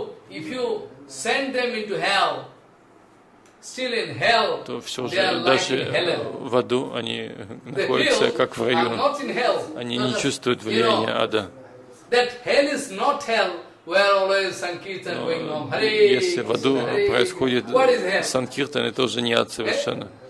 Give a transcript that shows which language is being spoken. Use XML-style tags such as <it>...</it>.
<en>If you send them into hell, still in hell,</en> <ru>то все же даже в аду они находятся как в раю. Они не чувствуют влияния ада.</ru> <en>That hell is not hell where always sankirtan going on.</en> <ru>Если в аду происходит санкиртан, это уже не ад совершенно.</ru>